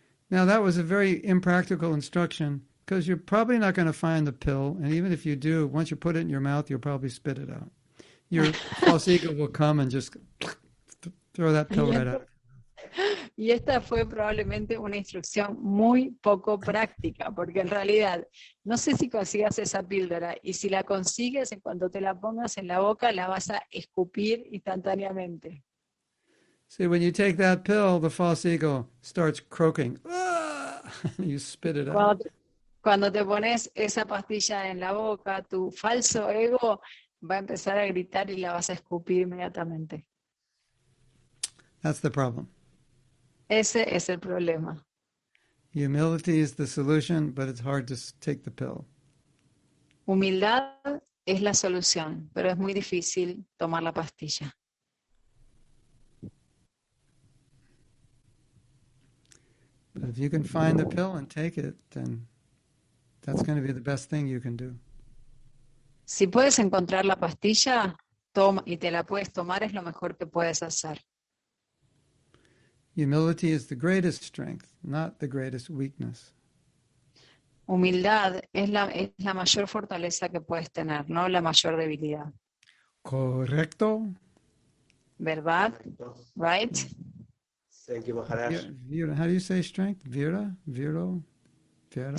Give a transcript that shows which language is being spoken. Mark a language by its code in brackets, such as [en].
[en] Now that was a very impractical instruction because you're probably not going to find the pill, and even if you do, once you put it in your mouth, you'll probably spit it out. Your false ego will come and just throw that pill right out. [es] Y esta fue probablemente una instrucción muy poco práctica, porque en realidad no sé si consigas esa píldora y si la consigues, en cuanto te la pongas en la boca, la vas a escupir instantáneamente. [en] See, when you take that pill, the false ego starts croaking. Ah! You spit it out. [es] Cuando te pones esa pastilla en la boca, tu falso ego va a empezar a gritar y la vas a escupir inmediatamente. [en] That's the problem. [es] Ese es el problema. [en] Humility is the solution, but it's hard to take the pill. [es] Humildad es la solución, pero es muy difícil tomar la pastilla. [en] But if you can find the pill and take it, then that's going to be the best thing you can do. [es] Si puedes encontrar la pastilla, toma y te la puedes tomar, es lo mejor que puedes hacer. [en] Humility is the greatest strength, not the greatest weakness. [es] Humildad es la mayor fortaleza que puedes tener, no la mayor debilidad. Correcto. ¿Verdad? [en] Right? Thank you, Maharaj. Vira, how do you say strength? Vira? Viro? Vira?